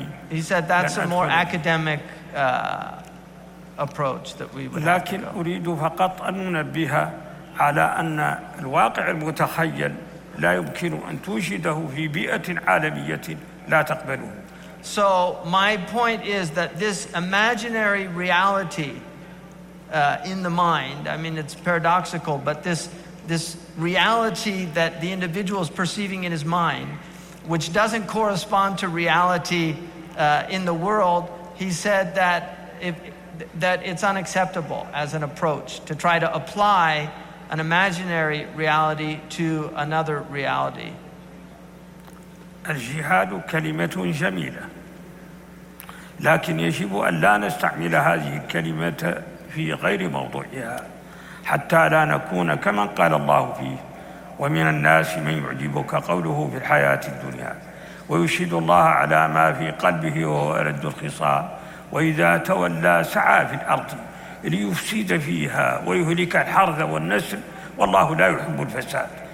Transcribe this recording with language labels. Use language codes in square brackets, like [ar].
[en] He said that's a more academic approach that we would [ar] لكن [en] have. [ar] أريد فقط أن ننبه على أن الواقع المتخيل لا يمكن أن توجده في بيئة عالمية لا تقبله. [en] So my point is that this imaginary reality in the mind, I mean, it's paradoxical, but this reality that the individual is perceiving in his mind, which doesn't correspond to reality in the world, he said that it's unacceptable as an approach to try to apply an imaginary reality to another reality. [ar] الجهاد كلمة جميلة. لكن يجب أن لا نستعمل هذه الكلمة في غير موضوعها حتى لا نكون كما قال الله فيه ومن الناس من يعجبك قوله في الحياة الدنيا ويشهد الله على ما في قلبه وهو أرد الخصام وإذا تولى سعى في الأرض ليفسد فيها ويهلك الحرث والنسل والله لا يحب الفساد.